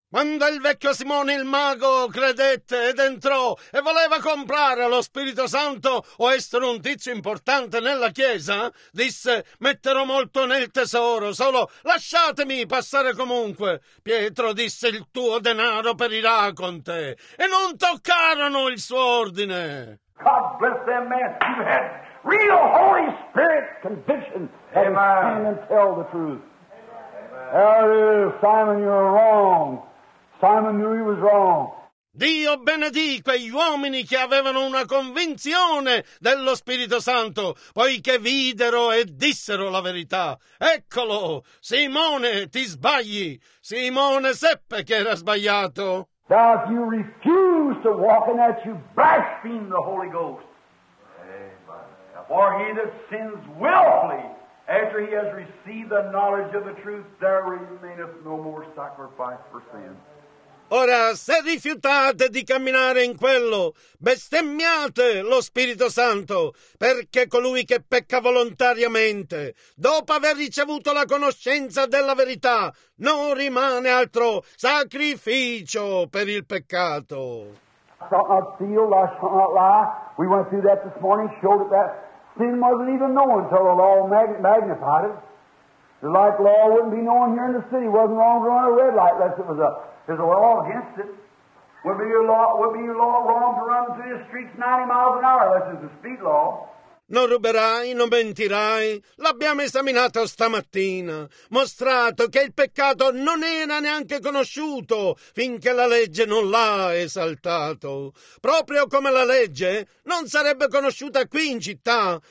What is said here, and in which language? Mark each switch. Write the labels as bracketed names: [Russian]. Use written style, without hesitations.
[Italian] Quando il vecchio Simone il mago credette ed entrò e voleva comprare lo Spirito Santo o essere un tizio importante nella Chiesa, disse, metterò molto nel tesoro, solo lasciatemi passare comunque. Pietro disse, il tuo denaro perirà con te. E non toccarono il suo ordine. [English] God bless them, man. You had real Holy Spirit conviction. Amen. And tell the truth. Amen. Simon, you're wrong. Simon knew he was wrong. [Italian] Dio benedì quegli uomini che avevano una convinzione dello Spirito Santo, poiché videro e dissero la verità. Eccolo, Simone, ti sbagli. Simone seppe che era sbagliato. [English] Now if you refuse to walk in that, you blaspheme the Holy Ghost. Amen. For he that sins willfully, after he has received the knowledge of the truth, there remaineth no more sacrifice for sin. [Italian] Ora, se rifiutate di camminare in quello, bestemmiate lo Spirito Santo, perché colui che pecca volontariamente, dopo aver ricevuto la conoscenza della verità, non rimane altro sacrificio per il peccato. [English] I shall not steal, I shall not lie. We went through that this morning, showed that sin wasn't even known until the law magnified it. The like law wouldn't be known here in the city. It wasn't wrong to run a red light unless it was up. There's a law against it. Would be a law wrong to run through the streets 90 miles an hour unless it's a speed law. [Italian] Non ruberai, non mentirai. L'abbiamo esaminato stamattina. Mostrato che il peccato non era neanche conosciuto finché la legge non l'ha esaltato. Proprio come la legge non sarebbe conosciuta qui in città.